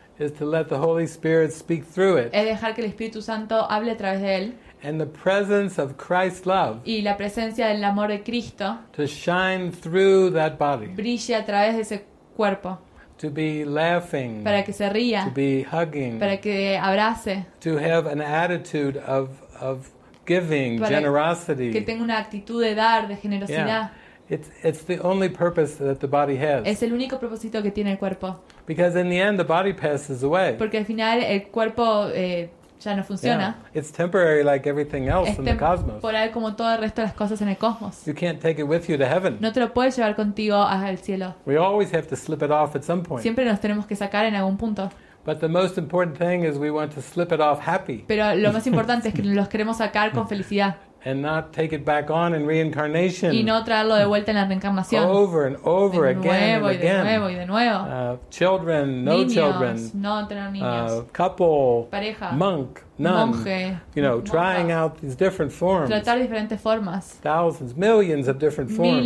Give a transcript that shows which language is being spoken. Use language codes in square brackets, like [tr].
[en] Is to let the Holy Spirit speak through it. [es] Es dejar que el Espíritu Santo hable a través de él. [en] And the presence of Christ's love. [es] Y la presencia del amor de Cristo. [en] To shine through that body. [es] Brille a través de ese cuerpo. [en] To be laughing. [es] Para que se ría. [en] To be hugging. [es] Para que abrace. [en] To have an attitude of giving, [es] para [en] generosity. [es] Que tenga una actitud de dar, de generosidad. Yeah. [en] It's the only purpose that the body has. [es] Es el único propósito que tiene el cuerpo. [en] Because in the end, the body passes away. [es] Porque al final el cuerpo ya no funciona. Yeah. [en] It's temporary like everything else in the cosmos. [es] Es temporal como todo el resto de las cosas en el cosmos. [en] You can't take it with you to heaven. [es] No te lo puedes llevar contigo al cielo. [en] We always have to slip it off at some point. [es] Siempre nos tenemos que sacar en algún punto. [en] But the most important thing is we want to slip it off happy. [es] Pero lo más importante es que los queremos sacar con felicidad. [en] And not take it back on in reincarnation. [es] Y no traerlo de vuelta en la reencarnación. [en] Over and over again and again. [es] De nuevo y de nuevo. [en] Children, no [es] niños, [en] children. [es] No tener niños. [en] Couple. [es] Pareja. [en] Monk, nun. [es] Monje. [en] You know, [es] monja. [en] Trying out these different forms. [es] Tratar diferentes formas. [en] Thousands, millions of different forms.